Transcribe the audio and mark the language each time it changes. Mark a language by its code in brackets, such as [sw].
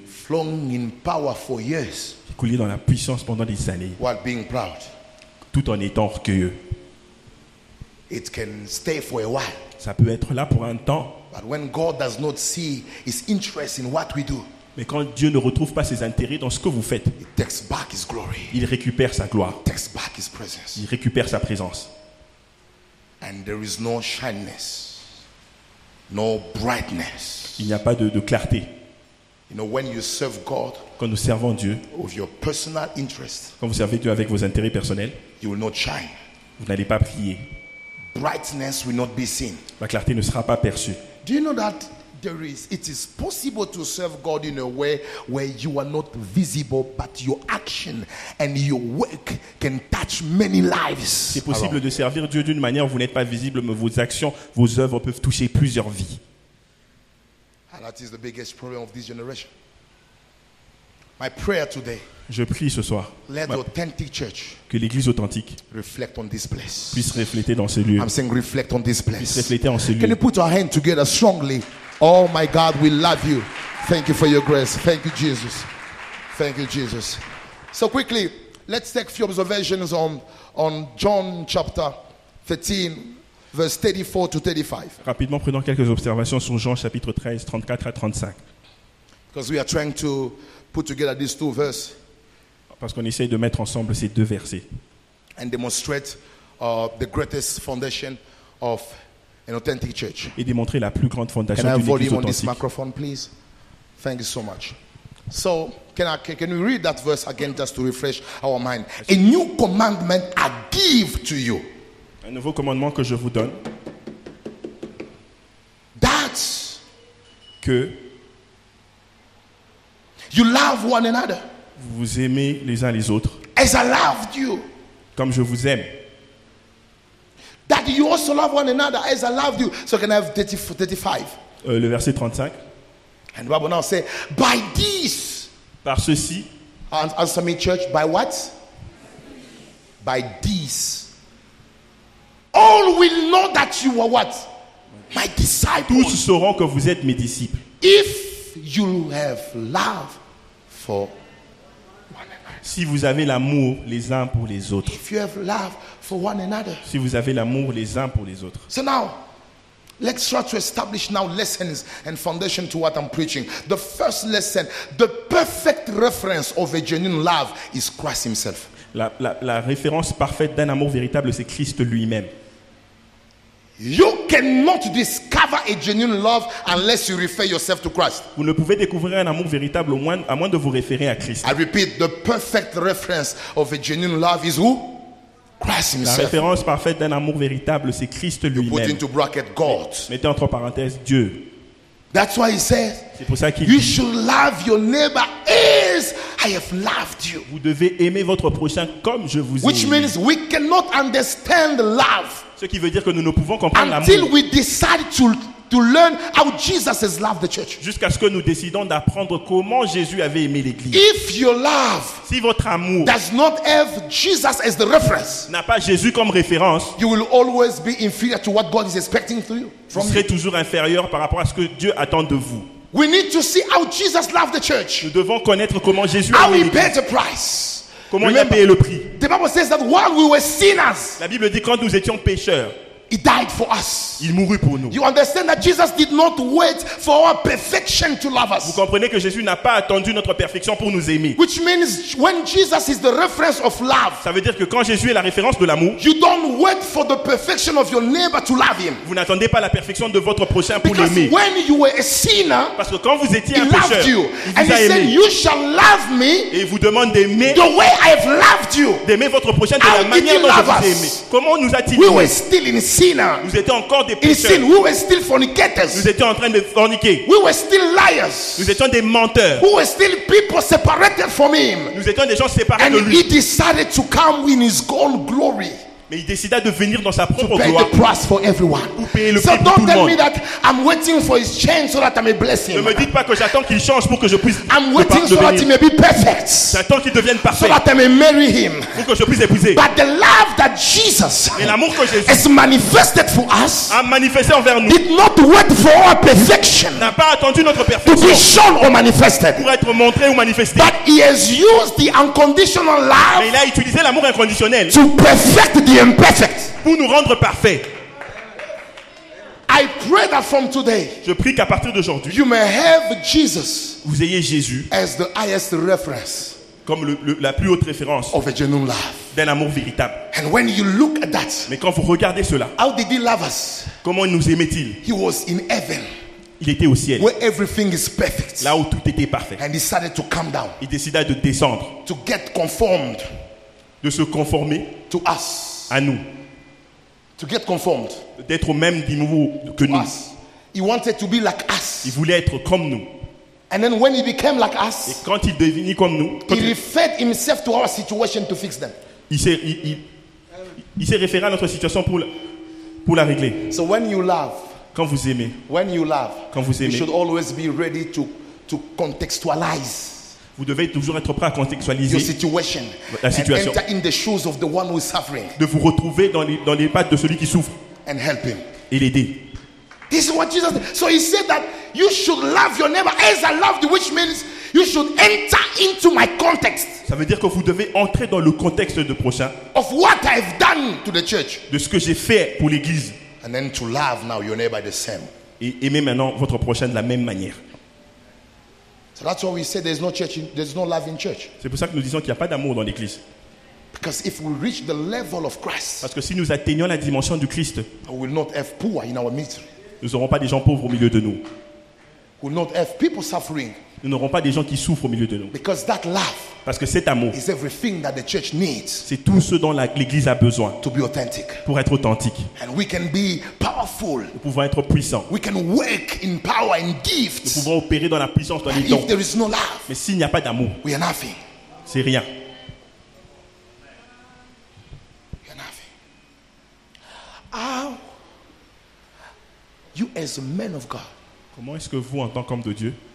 [en] flung in power for years, [fr] couler dans la puissance pendant des années, [en] while being proud. [fr] Tout en étant orgueilleux. [en] It can stay for a while. [fr] Ça peut être là pour un temps. [en] But when God does not see his interest in what we do, [fr] mais quand Dieu ne retrouve pas ses intérêts dans ce que vous faites, [en] he takes back his glory. [fr] Il récupère sa gloire. [en] He takes back his presence. [fr] Il récupère sa présence. [en] And there is no shyness, no brightness. [fr] Il n'y a pas de clarté. [en] You know, when you serve God, [fr] quand nous servons Dieu, [en] with your personal interest, [fr] quand vous servez Dieu avec vos intérêts personnels, [en] you will not shine. [fr] Vous n'allez pas briller. [en] Brightness will not be seen. [fr] La clarté ne sera pas perçue. [en] Do you know that there is? It is possible to serve God in a way where you are not visible, but your action and your work can touch many lives. [fr] C'est possible de servir Dieu d'une manière où vous n'êtes pas visible, mais vos actions, vos œuvres peuvent toucher plusieurs vies. [en] And that is the biggest problem of this generation. My prayer today. [fr] Je prie ce soir. [en] Let the authentic church, [fr] que l'église authentique, [en] reflect on this place, [fr] puisse refléter dans ce lieu. [en] I'm saying reflect on this place. [fr] Puisse refléter en ce lieu. [en] Can you put your hand together strongly? Oh my God, we love you. Thank you for your grace. Thank you, Jesus. Thank you, Jesus. So quickly, Let's take a few observations on John chapter 13, verse 34 to 35. [fr] Rapidement, prenons quelques observations sur Jean chapitre 13, 34 à 35. [en] Because we are trying to put together these two verses. [fr] Parce qu'on essaye de mettre ensemble ces deux versets. [en] And demonstrate the greatest foundation of an authentic church. [fr] Et démontrer la plus grande fondation d'une église authentique. [en] Can I have volume on this microphone, please? Thank you so much. So, can we read that verse again just to refresh our mind? A new commandment I give to you. [fr] Un nouveau commandement que je vous donne. [en] That [fr] que [en] you love one another. [fr] Vous aimez les uns les autres. [en] As I loved you. [fr] Comme je vous aime. [en] That you also love one another as I loved you. So can I have 35? [fr] Le verset 35. [en] And Bible now says, by this. [fr] Par ceci. [en] Answer me, church. By what? By this. All will know that you are what? My disciples. [fr] Tous sauront que vous êtes mes disciples. [en] If you have love for one another. [fr] Si vous avez l'amour les uns pour les autres. [en] If you have love for one another. [fr] Si vous avez l'amour les uns pour les autres. [en] So now. Let's try to establish now lessons and foundation to what I'm preaching. The first lesson, the perfect reference of a genuine love is Christ himself. [fr] La référence parfaite d'un amour véritable, c'est Christ lui-même. [en] You cannot discover a genuine love unless you refer yourself to Christ. [fr] Vous ne pouvez découvrir un amour véritable à moins de vous référer à Christ. [en] I repeat, the perfect reference of a genuine love is who? [fr] La référence parfaite d'un amour véritable, c'est Christ lui-même. [en] Put into bracket God. [fr] Mettez entre parenthèses Dieu. [en] That's why he says, [fr] c'est pour ça qu'il [en] you [fr] dit, [en] should love your neighbor as I have loved you. [fr] Vous devez aimer votre prochain comme je vous ai [en] which [fr] aimé. [en] Means we cannot understand love. [fr] Ce qui veut dire que nous ne pouvons comprendre [en] until [fr] l'amour. [en] We decide to learn how Jesus has loved the church. [fr] Jusqu'à ce que nous décidons d'apprendre comment Jésus avait aimé l'église. [en] If your love [fr] si votre amour [en] does not have Jesus as the reference, [fr] n'a pas Jésus comme référence, [en] you will always be inferior to what God is expecting through you. [fr] Vous serez toujours inférieur par rapport à ce que Dieu attend de vous. [en] We need to see how Jesus loved the church. [fr] Nous devons connaître comment Jésus a aimé l'église. [en] How he paid the price. [fr] Comment il a payé le prix. [en] The Bible says that while we were sinners, [fr] la Bible dit quand nous étions pécheurs, [en] he died for us. [fr] Il mourut pour nous. [en] You understand that Jesus did not wait for our perfection to love us. [fr] Vous comprenez que Jésus n'a pas attendu notre perfection pour nous aimer. [en] Which means when Jesus is the reference of love. [fr] Ça veut dire que quand Jésus est la référence de l'amour. [en] You don't wait for the perfection of your neighbor to love him. [fr] Vous n'attendez pas la perfection de votre prochain pour [en] because [fr] l'aimer. [en] When you were a sinner, [fr] parce que quand vous étiez un [en] he loved [fr] pécheur, [en] you. [fr] Il vous [en] and [fr] a [en] he [fr] aimé. [en] Said, you shall love me. [fr] Et vous demande d'aimer. [en] The way I have loved you. [fr] D'aimer votre prochain de [en] how [fr] la manière dont je vous ai aimé. Comment nous a-t-il aimé? [en] We were still in sin. [fr] Nous étions encore des pécheurs. [en] We were still fornicators. [fr] Nous étions en train de forniquer. [en] We were still liars. [fr] Nous étions des menteurs. [en] We were still people separated from him. [fr] Nous étions des gens séparés [en] and [fr] de lui. [en] He decided to come in his own glory. [fr] Mais il décida de venir dans sa propre gloire. [en] To pay the price for everyone. [fr] Pour payer le [en] so [fr] prix [en] don't [fr] pour tout [en] tell [fr] le monde. [en] Me that I'm waiting for his change so that I may bless him. [fr] Ne me dites pas que j'attends qu'il change pour que je puisse [en] I'm waiting so that he may be perfect. [fr] J'attends qu'il devienne parfait. [en] So that I may marry him. [fr] Pour que je puisse épouser. [en] But the love that Jesus [fr] et l'amour que Jésus [en] has manifested for us [fr] a manifesté envers nous [en] did not wait for our perfection [fr] n'a pas attendu notre perfection [en] to be shown or manifested. [fr] Pour être montré ou manifesté. [en] But he has used the unconditional love [fr] mais il a utilisé l'amour inconditionnel [en] to perfect the imperfect. [fr] Pour nous rendre parfait. [en] I pray that from today, [fr] je prie qu'à partir d'aujourd'hui, [en] you may have Jesus [fr] vous ayez Jésus [en] as the highest reference [fr] comme la plus haute référence [en] of a genuine love. [fr] D'un amour véritable. [en] And when you look at that, [fr] mais quand vous regardez cela, [en] how did he love us? [fr] Comment nous aimait-il? [en] He was in heaven. [fr] Il était au ciel. [en] Where everything is perfect. [fr] Là où tout était parfait. [en] And he started to come down. [fr] Il décida de descendre. [en] To get conformed. [fr] De se conformer. [en] To us. [fr] À nous. [en] To get conformed. [fr] D'être au même niveau que [en] to [fr] nous. [en] Us. He wanted to be like us. [fr] Il voulait être comme nous. [en] And then when he became like us, [fr] et quand il devenit comme nous, [en] he referred himself to our situation to fix them. [fr] Il s'est référé à notre situation pour la régler. [en] So when you love, [fr] quand vous aimez, [en] when you love, [fr] quand vous aimez, [en] you should always be ready to contextualize. [fr] Vous devez toujours être prêt à contextualiser [en] your situation, [fr] la situation [en] and enter in the shoes of the one who is suffering, [fr] de vous retrouver dans les pattes de celui qui souffre [en] and help him. [fr] Et l'aider. [en] This is what Jesus did. So he said that you should love your neighbor as I loved you, which means You should enter into my context. [fr] Ça veut dire que vous devez entrer dans le contexte de prochain. [en] Of what I've done to the church. [fr] De ce que j'ai fait pour l'église. [en] And then to love now your neighbor the same. [fr] Et aimer maintenant votre prochain de la même manière. [en] So that's why we say there's no church, there's no love in church. [fr] C'est pour ça que nous disons qu'il n'y a pas d'amour dans l'église. [en] Because if we reach the level of Christ, [fr] parce que si nous atteignons la dimension du Christ, [en] we will not have poor in our ministry. [fr] Nous n'aurons pas des gens pauvres au milieu de nous. [en] We will not have people suffering. [fr] Nous n'aurons pas des gens qui souffrent au milieu de nous. [en] Because that love, [fr] parce que cet amour, [en] is everything that the church needs. [fr] C'est tout ce dont l'Église a besoin. [en] To be authentic. [fr] Pour être authentique. [en] And we can be powerful. [fr] Nous pouvons être puissants. [en] We can work in power and gifts. [fr] Nous pouvons opérer dans la puissance, dans les dons. [en] If there is no love, [fr] mais s'il n'y a pas d'amour, [en] we are nothing. [fr] C'est rien. [en] How you as a man of God? [fr] Comment est-ce que vous, en tant qu'homme de Dieu,